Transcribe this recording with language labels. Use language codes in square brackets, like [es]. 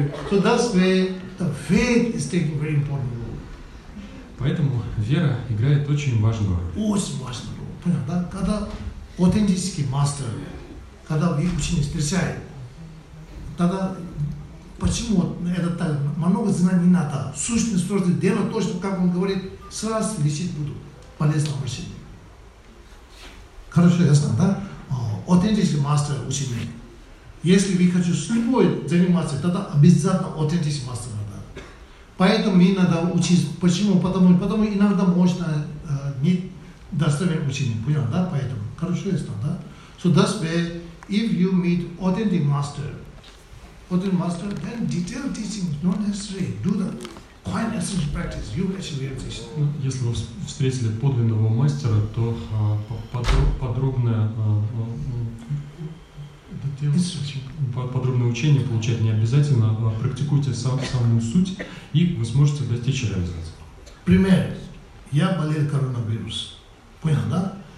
[en] So that's where the faith is taking very important role. [ru] Поэтому вера играет очень важную роль. Очень важную роль. Понял, да? Когда аутентический мастер, когда ученик встречает, тогда почему это так? Много знаний не надо. Сущность тоже дело то, что, как он говорит, сразу лечить буду. Полезное обращение. Хорошо, ясно, да? Аутентический мастер ученик. Если вы хотите с любой заниматься, тогда обязательно аутентический мастер надо. Поэтому мне надо учиться. Почему? Потому иногда можно не достойно ученик. Понял, да? Поэтому. Хорошо, ясно, да? [en] So that's where, if you meet authentic master, then detailed teaching is not necessary. Do the quite essential practice, you actually realize. [ru] Если вы встретили подлинного мастера, то подробное учение получать не обязательно, а практикуйте самую суть, и вы сможете достичь реализации. Пример. Я болел коронавирусом. Понял, да?